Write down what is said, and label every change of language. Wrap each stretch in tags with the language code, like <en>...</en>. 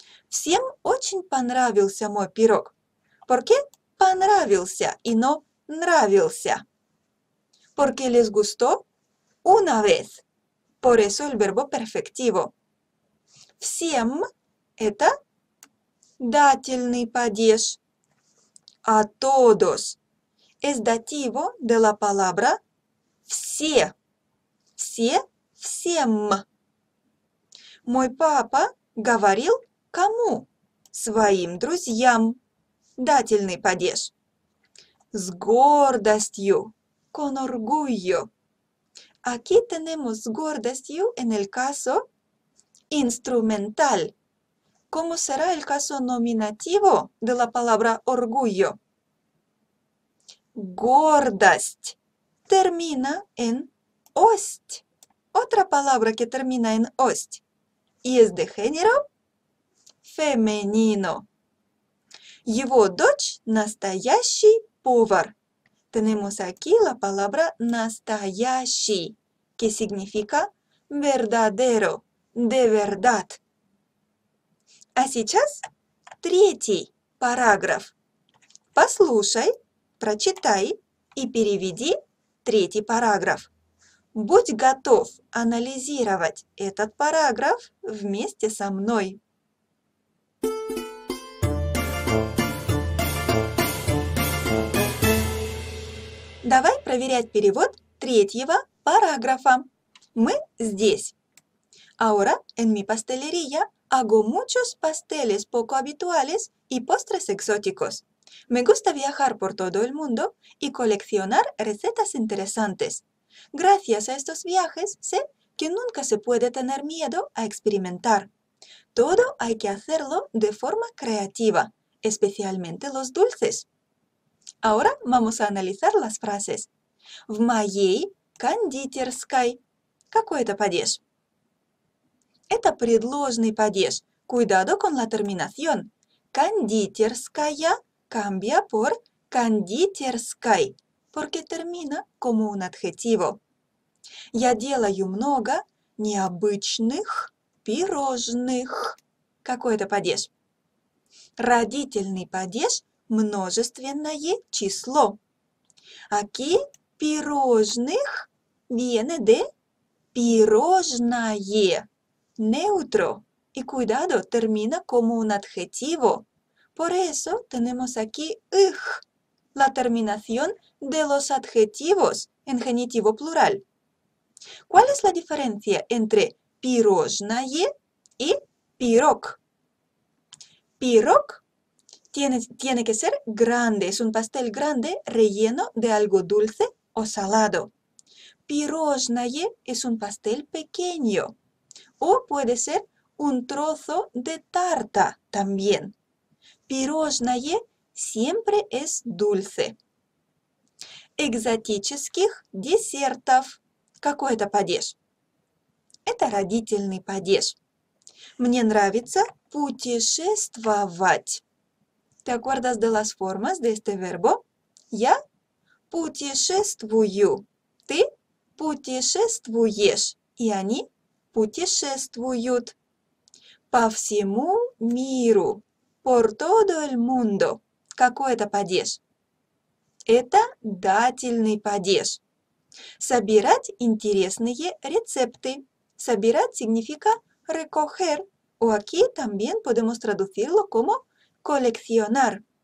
<ru>Всем очень понравился мой пирог.</ru> <es>¿Por qué понравился y no нравился? Porque les gustó una vez. Por eso el verbo perfectivo.</es> <ru>Всем. Это дательный падеж.</ru> <es>A todos. Es dativo de la palabra все.</es> <ru>Все, всем. Мой папа говорил кому? Своим друзьям. Дательный падеж. С гордостью.</ru> <es>Con orgullo. Aquí tenemos</es> <ru>с гордостью</ru> <es>en el caso instrumental. ¿Cómo será el caso nominativo de la palabra orgullo? Гордость termina en ость. Otra palabra que termina en ость. Y es de género femenino.</es> <ru>Его дочь настоящий повар.</ru> <es>Tenemos aquí la palabra настоящий, que significa verdadero, de verdad.</es> <ru>А сейчас третий параграф. Послушай, прочитай и переведи Третий параграф. Будь готов анализировать этот параграф вместе со мной. Давай проверять перевод третьего параграфа. Мы здесь.</ru> <es>Ahora en mi pastelería hago muchos pasteles poco habituales y postres exóticos. Me gusta viajar por todo el mundo y coleccionar recetas interesantes. Gracias a estos viajes sé que nunca se puede tener miedo a experimentar. Todo hay que hacerlo de forma creativa, especialmente los dulces. Ahora vamos a analizar las frases.</es> <ru>В моей кондитерской. Какой это падеж? Это предложный падеж.</ru> <es>Cuidado con la terminación. Кондитерская cambia por кондитерской, porque termina como un adjetivo.</es> <ru>Я делаю много необычных пирожных. Какой это падеж? Родительный падеж – множественное число.</ru> <es>Aquí пирожных viene de пирожное. Neutro. Y cuidado, termina como un adjetivo. Por eso tenemos aquí «ых» – la terminación de los adjetivos en genitivo plural. ¿Cuál es la diferencia entre «пирожное» y «пирог»? «Пирог» тiene que ser grande, es un pastel grande relleno de algo dulce o salado. «Пирожное» es un pastel pequeño. O puede ser un trozo de tarta también. Пирожное siempre es dulce.</es> <ru>Экзотических десертов. Какой это падеж? Это родительный падеж. Мне нравится путешествовать.</ru> <es>¿Te acuerdas de las formas de este verbo?</es> <ru>Я путешествую. Ты путешествуешь. И они путешествуют. По всему миру.</ru> <es>Por todo el mundo.</es> <ru>Какой это падеж? Это дательный падеж. Собирать интересные рецепты.</ru> <es>Собирать significa recoger. O aquí también podemos traducirlo como coleccionar.</es>